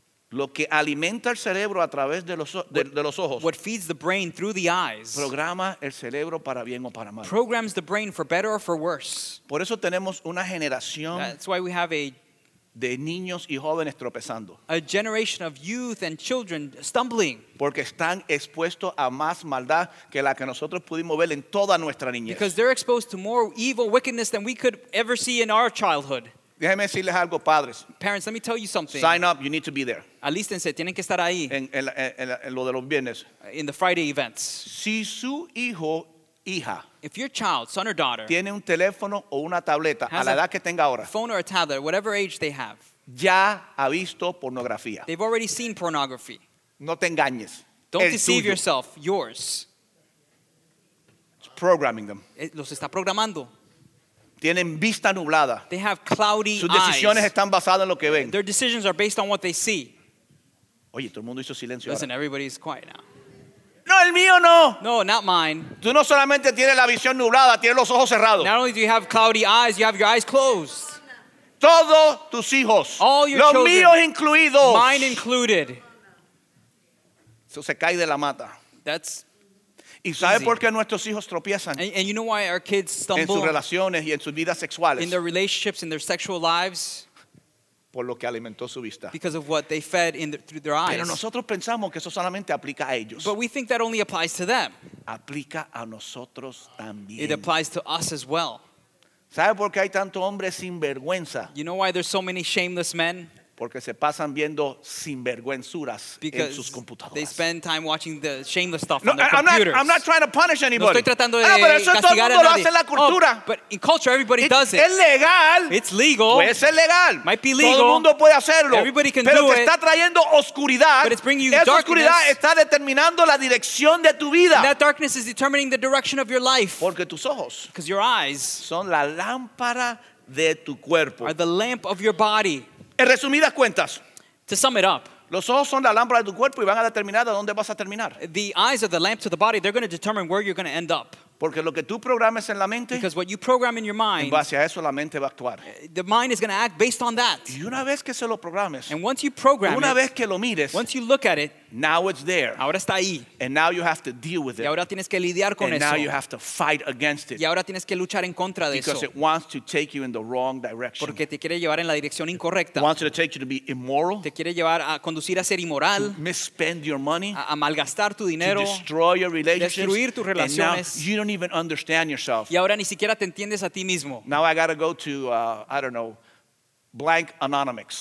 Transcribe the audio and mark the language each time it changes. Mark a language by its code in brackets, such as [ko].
[es] Lo que alimenta el cerebro a través de los, de los ojos. [en] What feeds the brain through the eyes. [es] Programa el cerebro para bien o para mal. [en] Programs the brain for better or for worse. [es] Por eso tenemos una generación. [en] That's why we have a [es] de niños y jóvenes tropezando. [en] A generation of youth and children stumbling. [es] Porque están expuestos a más maldad que la que nosotros pudimos ver en toda nuestra niñez. [en] Because they're exposed to more evil wickedness than we could ever see in our childhood. [es] Déjeme decirles algo, padres. [en] Parents, let me tell you something. Sign up, you need to be there. [es] Alístense, tienen que estar ahí. En lo de los viernes. [en] In the Friday events. [es] Si su hijo, hija. [en] If your child, son or daughter. [es] Tiene un teléfono o una tableta, a la edad que tenga ahora. [en] Phone or a tablet, whatever age they have. [es] Ya ha visto pornografía. [en] They've already seen pornography. [es] No te engañes. [en] Don't deceive yourself, yours. It's programming them. [es] Los está programando. Tienen vista nublada. [en] They have cloudy [es] sus decisiones [en] eyes. [es] Están basadas en lo que ven. [en] Their decisions are based on what they see. [es] Oye, todo el mundo hizo silencio. [en] Listen, [es] ahora. [en] Everybody is quiet now. [es] No, el mío no. [en] No, not mine. [es] Tú no solamente tienes la visión nublada, tienes los ojos cerrados. [en] Not only do you have cloudy eyes, you have your eyes closed. [es] Todos tus hijos. [en] All your [es] los [en] children. [es] Los míos incluidos. [en] Mine included. [es] Eso se cae de la mata. [en] That's [es] ¿Y sabe por qué nuestros hijos tropiezan? [en] And you know why our kids stumble [es] en sus relaciones y en sus vidas sexuales. [en] In their relationships, in their sexual lives. [es] Por lo que alimentó su vista. [en] Because of what they fed in the, through their eyes. [es] Pero nosotros pensamos que eso solamente aplica a ellos. [en] But we think that only applies to them. [es] Aplica a nosotros también. [en] It applies to us as well. [es] ¿Sabe por qué hay tanto hombre sin vergüenza? [en] You know why there's so many shameless men? [es] Porque se pasan viendo sinvergüenzuras en sus computadoras. [en] They spend time watching the shameless stuff [es] no, [en] on their computers. I'm not trying to punish anybody. [es] No estoy tratando de castigar a nadie. Pero eso todo lo hace la cultura. [en] Oh, but in culture, everybody it, does it. [es] Es legal. [en] It's legal. [es] Puede ser legal. [en] Might be legal. [es] Todo el mundo puede hacerlo. [en] Everybody can [es] pero [en] do it. [es] Pero te está trayendo oscuridad. [en] But it's bringing you [es] esa [en] darkness. [es] Esa oscuridad está determinando la dirección de tu vida. [en] And that darkness is determining the direction of your life. [es] Porque tus ojos. [en] Because your eyes. [es] Son la lámpara de tu cuerpo. [en] Are the lamp of your body. [es] En resumidas cuentas, [en] to sum it up, [es] los ojos son la lámpara de tu cuerpo y van a determinar de dónde vas a terminar. [en] The eyes are the lamp to the body. They're going to determine where you're going to end up. [es] Porque lo que tú programes en la mente, [en] because what you program in your mind, [es] en base a eso la mente va a actuar. [en] The mind is going to act based on that. [es] Y una vez que se lo programes, [en] and once you program [es] una [en] it, [es] vez que lo mires, [en] once you look at it, now it's there. [es] Ahora está ahí. [en] And now you have to deal with it. [es] Y ahora tienes que lidiar con [en] and [es] eso. [en] And now you have to fight against it. [es] Y ahora tienes que luchar en contra de [en] because [es] eso. [en] Because it wants to take you in the wrong direction. [es] Porque te quiere llevar en la dirección incorrecta. [en] It wants to take you to be immoral. [es] Te quiere llevar a conducir a ser inmoral. [en] To misspend your money. [es] A malgastar tu dinero. [en] To destroy your relationships. [es] Destruir tus relaciones. [en] And now you don't even understand yourself. [es] Y ahora ni siquiera te entiendes a ti mismo. [en] Now I gotta go to I don't know, blank anonymous.